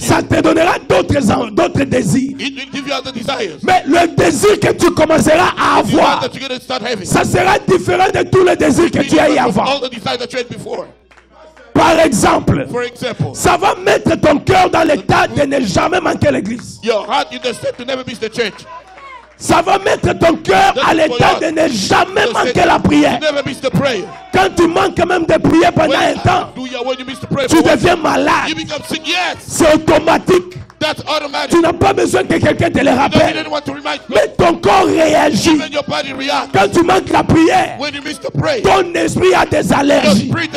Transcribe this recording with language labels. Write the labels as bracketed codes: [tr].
[fr] ça te donnera d'autres désirs. [en] It will give you other desires. [fr] Mais le désir que tu commenceras à avoir, [en] that you're going to start having, [fr] ça sera différent de tous les désirs que tu as eu avant. [en] All the desires that you had before. [fr] Par exemple, [en] for example, [fr] ça va mettre ton cœur dans l'état de ne jamais manquer l'église. [en] Your heart in the state to never miss the church. [fr] Ça va mettre ton cœur à l'état de ne jamais manquer la prière. Quand tu manques même de prier pendant un temps, tu deviens malade. C'est automatique. Tu n'as pas besoin que quelqu'un te le rappelle. Mais ton corps réagit. Quand tu manques la prière, ton esprit a des allergies.